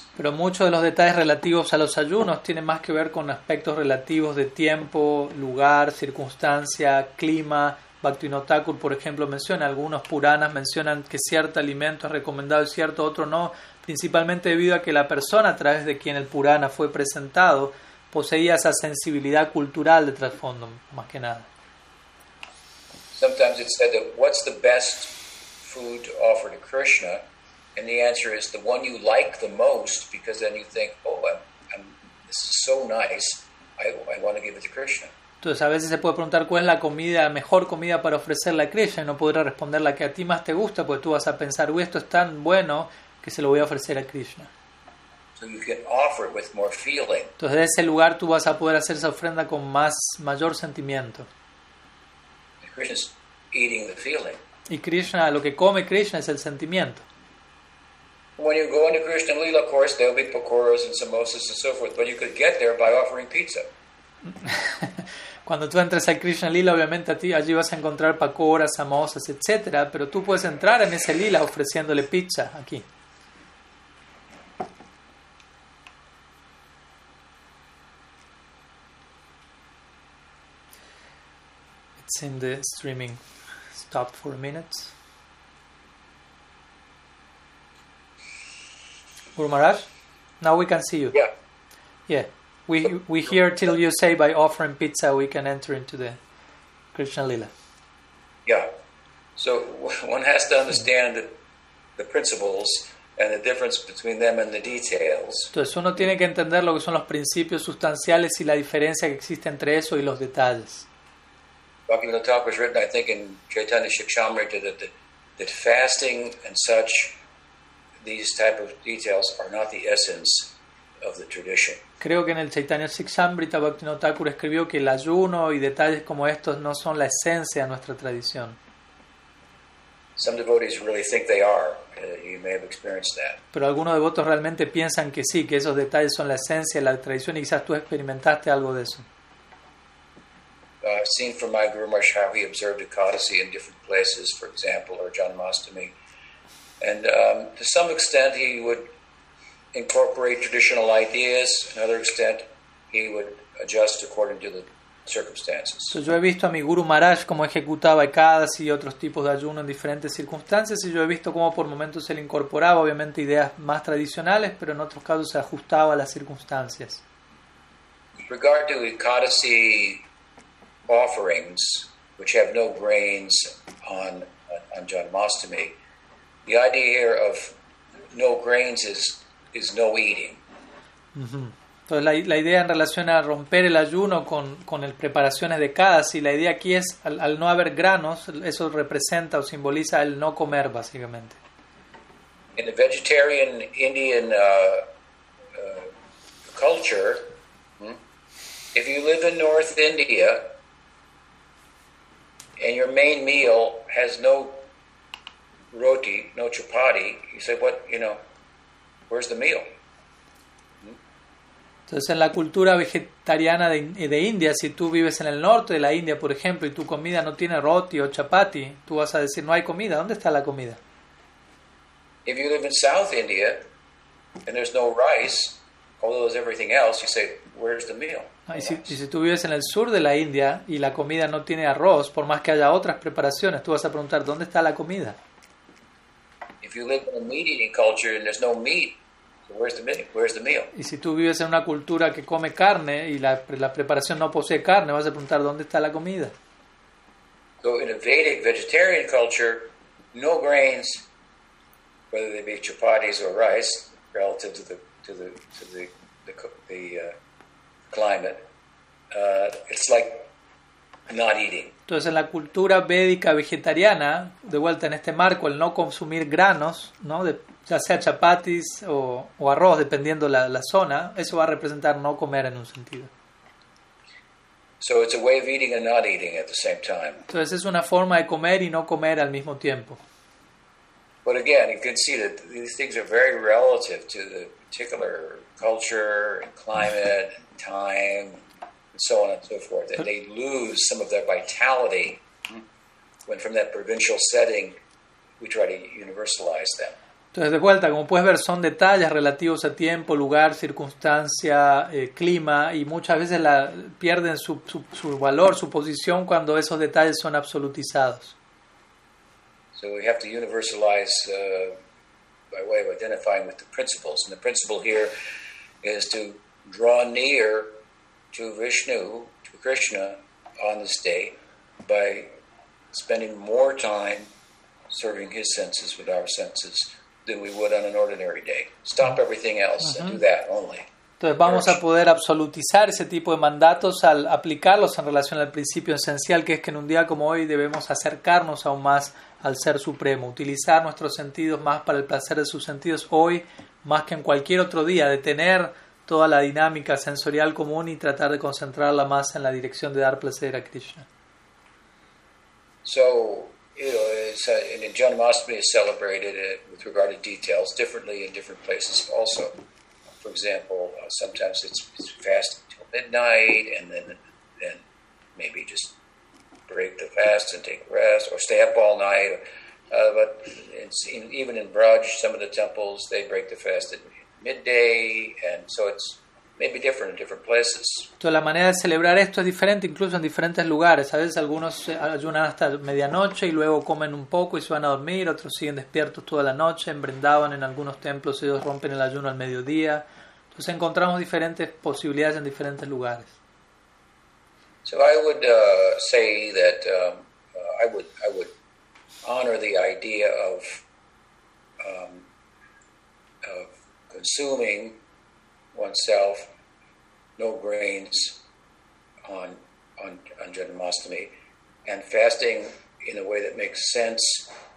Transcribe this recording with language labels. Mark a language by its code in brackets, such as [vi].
[es] Pero muchos de los detalles relativos a los ayunos tienen más que ver con aspectos relativos de tiempo, lugar, circunstancia, clima. Bhaktivinoda Thakur, por ejemplo, menciona, algunos Puranas mencionan que cierto alimento es recomendado y cierto otro no, principalmente debido a que la persona a través de quien el Purana fue presentado poseía esa sensibilidad cultural de trasfondo, más que nada. [en] Sometimes it's said that what's the best food to offer to Krishna, and the answer is the one you like the most, because then you think, oh, this is so nice, I want to give it to Krishna. [es] Entonces a veces se puede preguntar cuál es la comida, mejor comida para ofrecerle a Krishna, y no podrá responder la que a ti más te gusta, porque tú vas a pensar, uy, esto es tan bueno que se lo voy a ofrecer a Krishna. [en] So you can offer it with more feeling. [es] Entonces de ese lugar tú vas a poder hacer esa ofrenda con mayor sentimiento. [en] Krishna's eating the feeling. [es] Y Krishna, lo que come Krishna es el sentimiento. [en] When you go into Krishna Lila, of course, there'll be pakoras and samosas and so forth, but you could get there by offering pizza. [es] Cuando tú entres al Krishna Lila, obviamente allí vas a encontrar pakoras, samosas, etc. Pero tú puedes entrar en ese Lila ofreciéndole pizza aquí. [en] It's in the streaming. Stop for a minute. Guru Maharaj, now we can see you. Yeah. Yeah. We hear till you say by offering pizza we can enter into the Krishna Lila. Yeah. So one has to understand the principles and the difference between them and the details. [es] Entonces uno tiene que entender lo que son los principios sustanciales y la diferencia que existe entre eso y los detalles. [en] Bhaktivinoda Thakur has written, I think, in Chaitanya Shikshamrita that fasting and such, these type of details are not the essence of the tradition. [es] Creo que en el Chaitanya Shikshamrita Bhaktivinoda Thakur escribió que el ayuno y detalles como estos no son la esencia de nuestra tradición. [en] Some devotees really think they are. You may have experienced that. [es] Pero algunos devotos realmente piensan que sí, que esos detalles son la esencia de la tradición, y quizás tú experimentaste algo de eso. [en] I've seen from my Guru Maharaj how he observed a codicy in different places, for example, or Janmastami. And to some extent he would incorporate traditional ideas, another extent he would adjust according to the circumstances. [es] So yo he visto a mi Guru Maharaj como ejecutaba ekadasi y otros tipos de ayuno en diferentes circunstancias, y yo he visto cómo por momentos él incorporaba obviamente ideas más tradicionales, pero en otros casos se ajustaba a las circunstancias. [en] With regard to ekadasi offerings which have no grains on Janmastami, the idea here of no grains is no eating. Mm-hmm. [es] Entonces la idea en relación a romper el ayuno con el preparaciones de Kadasi, la idea aquí es al no haber granos, eso representa o simboliza el no comer básicamente. [en] In the vegetarian Indian culture, if you live in North India and your main meal has no roti, no chapati, you say, what, you know, where's the meal? [es] Entonces, en la cultura vegetariana de India, si tú vives en el norte de la India, por ejemplo, y tu comida no tiene roti o chapati, tú vas a decir, no hay comida, ¿dónde está la comida? [en] If you live in South India and there's no rice, although there's everything else, you say, where's the meal? [es] Y si tú vives en el sur de la India y la comida no tiene arroz, por más que haya otras preparaciones, tú vas a preguntar, ¿dónde está la comida? [en] If you live in a meat-eating culture and there's no meat, Where's the meal? [es] Y si tú vives en una cultura que come carne y la preparación no posee carne, vas a preguntar, ¿dónde está la comida? [en] So in a Vedic vegetarian culture, no grains, whether they be chapatis or rice, relative to the climate, it's like not eating. [es] Entonces, en la cultura védica vegetariana, de vuelta en este marco, el no consumir granos, ¿no? Ya sea chapatis o arroz, dependiendo la zona, eso va a representar no comer en un sentido. [en] So it's a way of eating and not eating at the same time. [es] Entonces es una forma de comer y no comer al mismo tiempo. [en] But again, you can see that these things are very relative to the particular culture, climate, time, and so on and so forth. That they lose some of their vitality when from that provincial setting we try to universalize them. [es] Entonces, de vuelta, como puedes ver, son detalles relativos a tiempo, lugar, circunstancia, clima, y muchas veces pierden su valor, su posición, cuando esos detalles son absolutizados. [en] So we have to universalize by way of identifying with the principles. And the principle here is to draw near to Vishnu, to Krishna, on this day by spending more time serving his senses with our senses than we would on an ordinary day. Stop everything else and do that only. [es] Entonces vamos a poder absolutizar ese tipo de mandatos al aplicarlos en relación al principio esencial, que es que en un día como hoy debemos acercarnos aún más al Ser Supremo, utilizar nuestros sentidos más para el placer de sus sentidos hoy más que en cualquier otro día, detener toda la dinámica sensorial común y tratar de concentrarla más en la dirección de dar placer a Krishna. [en] So, you know, in Janmastami is celebrated with regard to details differently in different places also. For example, sometimes it's fasting till midnight and then maybe just break the fast and take rest or stay up all night. But even in Braj, some of the temples, they break the fast at midday, and so it's maybe different in different places. [es] Toda la manera de celebrar esto es diferente incluso en diferentes lugares. A veces algunos ayunan hasta medianoche y luego comen un poco y se van a dormir. Otros siguen despiertos toda la noche. En Brindavan, en algunos templos, ellos rompen el ayuno al mediodía. Entonces encontramos diferentes posibilidades en diferentes lugares. [en] So I would say that I would honor the idea of consuming oneself, no grains on Janmastami, and fasting in a way that makes sense